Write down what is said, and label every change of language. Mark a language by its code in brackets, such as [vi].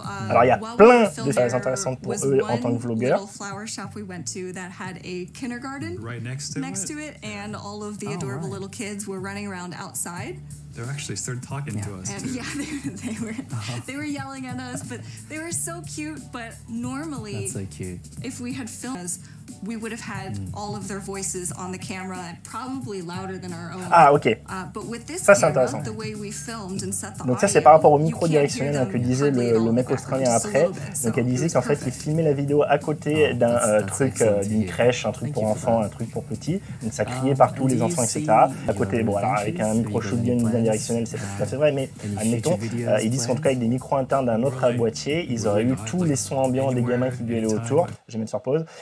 [fr] Alors il y a plein de choses intéressantes pour eux en tant que vlogueurs. [en] Little flower shop we went to that had a kindergarten right next to it, and all of the adorable little kids were running around outside. They actually started talking to us. And, yeah, they were yelling at us, but they were so cute. But normally, that's so cute. If we had filmed us, we would have had all of their voices on the camera, probably louder than our own. Ah, okay. But with this [fr] ça, [en] camera, the way we filmed and set the [fr] donc ça, c'est par rapport au micro directionnel que disait le mec australien après. Donc elle disait qu'en fait, il filmait la vidéo à côté d'un d'une crèche, un truc pour enfants, un truc pour petits. Donc ça criait partout, les enfants, etc. À côté, bon, alors avec un micro shoot bien directionnel, c'est pas tout à fait vrai, mais admettons, ils disent qu'en tout cas, avec des micros internes d'un autre boîtier, ils auraient eu tous les sons ambiants des gamins qui gueulaient autour. Je vais mettre sur pause.